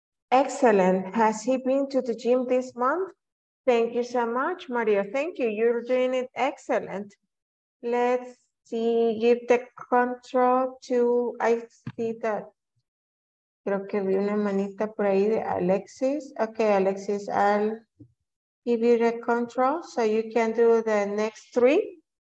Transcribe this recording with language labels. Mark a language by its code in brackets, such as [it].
[en] Excellent. Has he been to the gym this month? Thank you so much, Mario. Thank you. You're doing it excellent. Let's see, give the control to, I see that. [es] Creo que vi una manita por ahí de Alexis. [en] Okay, Alexis, I'll give you the control so you can do the next three.